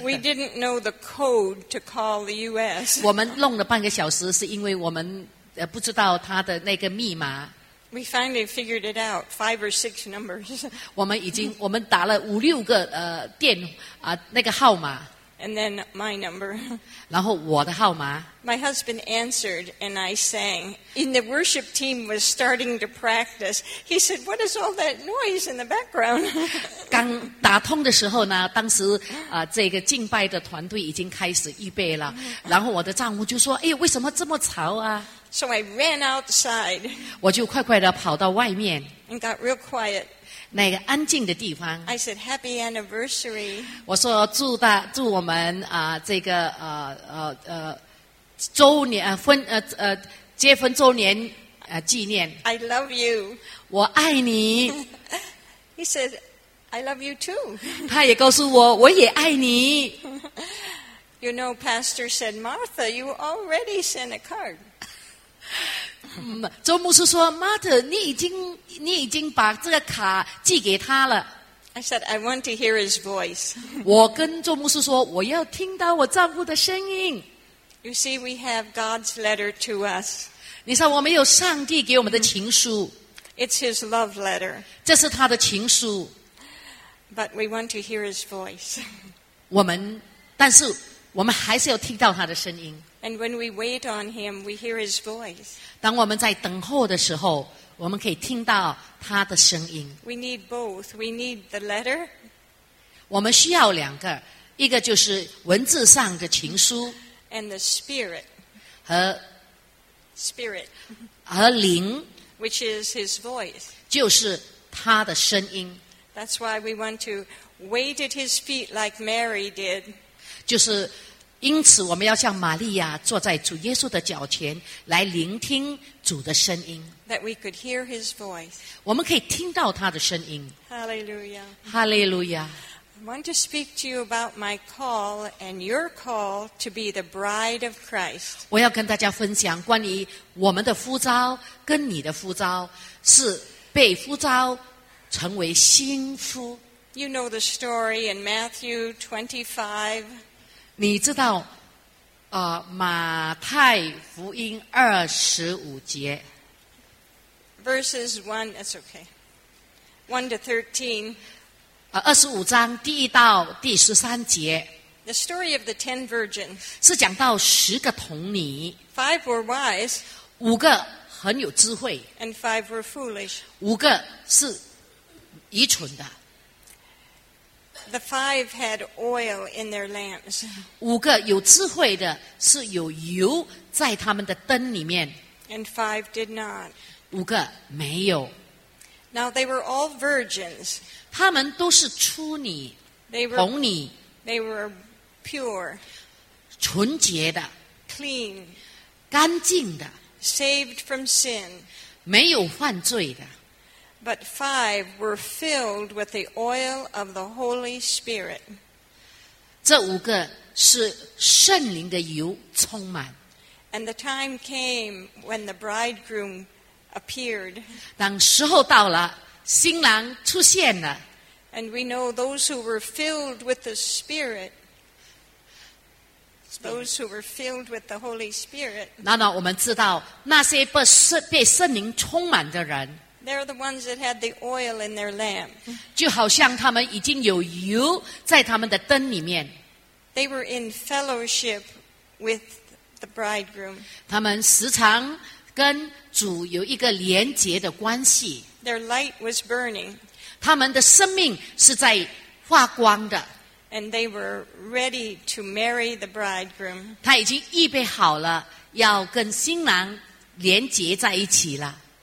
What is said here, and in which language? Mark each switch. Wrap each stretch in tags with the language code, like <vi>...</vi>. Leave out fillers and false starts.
<en>We didn't know the code to call the US.</en> <zh>我们弄了半个小时是因为我们不知道他的那个密码。</zh> <en>We finally figured it out, 5 or 6 numbers.</en> <zh>我们打了五六个那个号码。</zh> <en>And then my number.</en> <zh>然后我的号码。</zh> <en>My husband answered and I sang. And the worship team was starting to practice. He said, what is all that noise in the background?</en> <zh>刚打通的时候呢，当时这个敬拜的团队已经开始预备了。然后我的丈夫就说，哎，为什么这么吵啊？</zh> <en>So I ran outside.</en> <zh>我就快快地跑到外面。</zh> <en>And got real quiet.</en> <zh>那个安静的地方。</zh> <en>I said, happy anniversary.</en> <zh>我说祝我们这个周年婚结婚周年纪念。</zh> <en>I love you.</en> <zh>我爱你。</zh> <en>He said, I love you too.</en> <zh>他也告诉我，我也爱你。</zh> <en>You know, Pastor said, Martha, you already sent a card.</en> <zh>周牧师说 Martha 你已经把这个卡寄给他了。</zh> <en>I said I want to hear his voice.</en> <zh>我跟周牧师说我要听到我丈夫的声音。</zh> <en>You see we have God's letter to us.</en> <zh>你说我们有上帝给我们的情书。</zh> <en>It's his love letter.</en> <zh>这是他的情书。</zh> <en>But we want to hear his voice.</en> <zh>但是我们还是要听到他的声音。</zh> <en>And when we wait on him, we hear his voice.</en> <zh>当我们在等候的时候，我们可以听到他的声音。</zh> <en>We need both. We need the letter.</en> <zh>我们需要两个，一个就是文字上的情书</zh> <en>and the spirit</en> <zh>和</zh> <en>spirit</en> <zh>和灵</zh> <en>which is his voice</en> <zh>就是他的声音。</zh> <en>That's why we want to wait at his feet like Mary did</en> <zh>就是因此我们要像玛利亚坐在主耶稣的脚前来聆听主的声音</zh> <en>that we could hear his voice</en> <zh>我们可以听到他的声音。</zh> <en>Hallelujah</en> <zh>Hallelujah</zh> <en>I want to speak to you about my call and your call to be the bride of Christ</en> <zh>我要跟大家分享关于我们的呼召跟你的呼召是被呼召成为新夫。</zh> <en>You know the story in Matthew 25</en> <zh>你知道马太福音二十五节</zh> <en>Verses 1 It's okay 1 to 13</en> <zh>二十五章第一到第十三节</zh> <en>The story of the 10 virgins</en> <zh>是讲到十个童女</zh> <en>5 were wise</en> <zh>五个很有智慧</zh> <en>And 5 were foolish</en> <zh>五个是愚蠢的。</zh> <en>The five had oil in their lamps.</en> <zh>五个有智慧的是有油在他们的灯里面。</zh> <en>And five did not.</en> <zh>五个没有。</zh> <en>Now they were all virgins.</en> <zh>他们都是处女、童女。</zh> <en>They were pure.</en> <zh>纯洁的。</zh> <en>Clean.</en> <zh>干净的。</zh> <en>Saved from sin.</en> <zh>没有犯罪的。</zh> <en>But five were filled with the oil of the Holy Spirit.</en> <zh>这五个是圣灵的油充满。</zh> <en>And the time came when the bridegroom appeared.</en> <zh>当时候到了，新郎出现了。</zh> <en>And we know those who were filled with the Spirit. Those who were filled with the Holy Spirit.</en> <zh>那我们知道那些被圣灵充满的人。</zh> <en>They're the ones that had the oil in their lamp.</en> <zh>就好像他们已经有油在他们的灯里面。</zh> <en>They were in fellowship with the bridegroom.</en> <zh>他们时常跟主有一个连结的关系。</zh> <en>Their light was burning.</en> <zh>他们的生命是在发光的。</zh> <en>And they were ready to marry the bridegroom.</en> <zh>他已经预备好了要跟新郎连结在一起了。</zh>